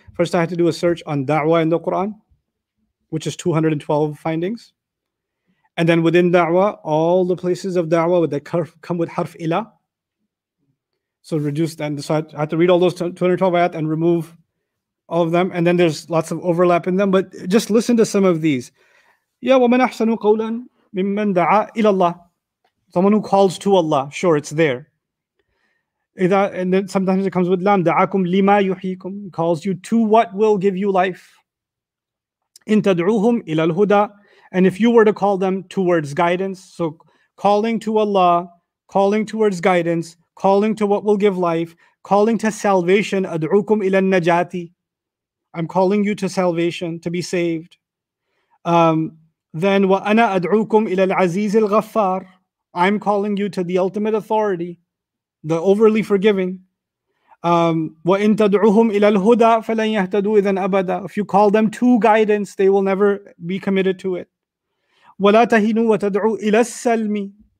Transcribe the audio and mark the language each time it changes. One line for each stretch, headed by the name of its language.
English: First, I had to do a search on da'wah in the Quran, which is 212 findings. And then within da'wah, all the places of da'wah that come with harf ila. So reduce that. So I had to read all those 212 ayat and remove all of them, and then there's lots of overlap in them, but just listen to some of these.
Arabic: Yeah, وَمَنْ أَحْسَنُ قَوْلًا مِمَّنْ دَعَى إِلَى اللَّهِ.
English: Someone who calls to Allah, sure, it's there. إذا, and then sometimes it comes with
Arabic: لَمْ دَعَاكُمْ لِمَا يُحْيِيكُمْ.
English: Calls you to what will give you life.
Arabic: إِن تَدْعُوهُمْ إِلَى الْهُدَى.
English: And if you were to call them towards guidance, so calling to Allah, calling towards guidance, calling to what will give life, calling to salvation,
Arabic: أَدْعُوكُمْ إِلَى النَّجَاتِ.
English: I'm calling you to salvation, to be saved.
Arabic: Then, وَأَنَا أَدْعُوكُمْ إِلَى الْعَزِيزِ الْغَفَّارِ.
English: I'm calling you to the ultimate authority, the overly forgiving.
Arabic: وَإِنْ تَدْعُوهُمْ إِلَى الْهُدَى فَلَنْ يَهْتَدُوا إِذًا أَبَدًا.
English: If you call them to guidance, they will never be committed to it.
Arabic: وَلَا تَهِنُوا وَتَدْعُوا إِلَى السَّلْمِ.